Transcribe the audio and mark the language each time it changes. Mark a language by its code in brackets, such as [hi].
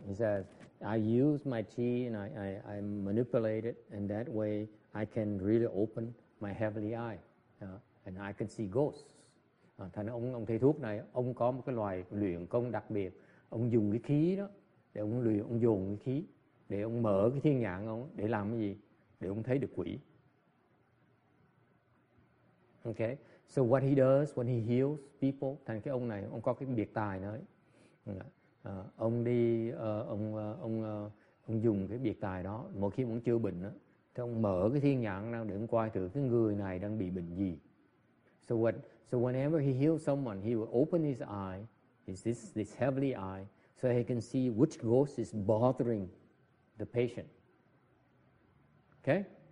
[en] He says, I use my chi and I manipulate it, and that way I can really open my heavenly eye, and I can see ghosts. [vi] Thành ra ông thầy thuốc này, ông có một cái loại luyện công đặc biệt. Ông dùng cái khí đó, để ông luyện, ông dồn cái khí, để ông mở cái thiên nhãn ông, để làm cái gì? Để ông thấy được quỷ. [en] Okay, so what he does when he heals people, [vi] thành cái ông này, ông có cái biệt tài đấy. Ông đi, ông dùng cái biệt tài đó, mỗi khi ông chưa bệnh đó, thì ông mở cái thiên nhãn ra để ông coi thử cái người này đang bị bệnh gì. [en] So whenever he heals someone, he will open his eye, this heavenly eye, so he can see which ghost is bothering the patient. Okay?